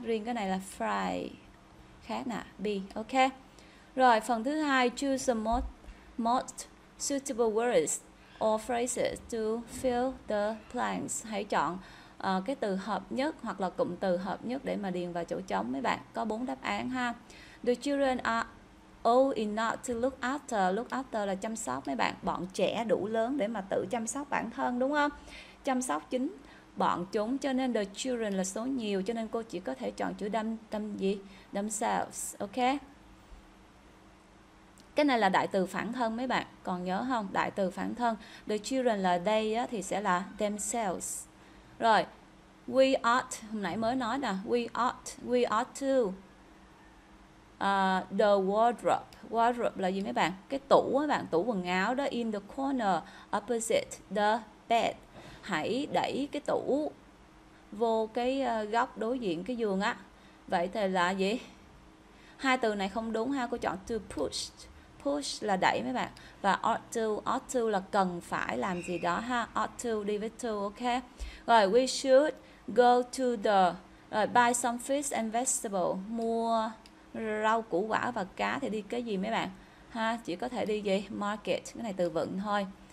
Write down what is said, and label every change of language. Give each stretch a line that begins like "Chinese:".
Vietnamese: Riêng cái này là fry, khác nè, be, ok. Rồi, phần thứ hai,
English: choose the most suitable words or phrases to fill the blanks.
Vietnamese: Hãy chọn cái từ hợp nhất hoặc là cụm từ hợp nhất để mà điền vào chỗ trống mấy bạn. Có bốn đáp án ha.
English: The children are old enough to look after.
Vietnamese: Look after là chăm sóc mấy bạn. Bọn trẻ đủ lớn để mà tự chăm sóc bản thân đúng không? Chăm sóc chính bọn chúng, cho nên the children là số nhiều, cho nên cô chỉ có thể chọn chữ đâm đâm gì?
English: Themselves, ok.
Vietnamese: Cái này là đại từ phản thân mấy bạn. Còn nhớ không? Đại từ phản thân. The children là they á, thì sẽ là themselves.
English: Rồi, we ought,
Vietnamese: hôm nãy mới nói nè,
English: we ought to the wardrobe.
Vietnamese: Wardrobe là gì mấy bạn? Cái tủ mấy bạn, tủ quần áo đó,
English: in the corner opposite the bed.
Vietnamese: Hãy đẩy cái tủ vô cái góc đối diện cái giường á. Vậy thì là gì? Hai từ này không đúng ha, cô chọn to push. Push là đẩy mấy bạn. Và ought to là cần phải làm gì đó ha. Ought to đi với to, ok.
English: Rồi, we should go to the, rồi, buy some fish and vegetable.
Vietnamese: Mua rau củ quả và cá thì đi cái gì mấy bạn? Ha, chỉ có thể đi gì? Market, cái này từ vựng thôi.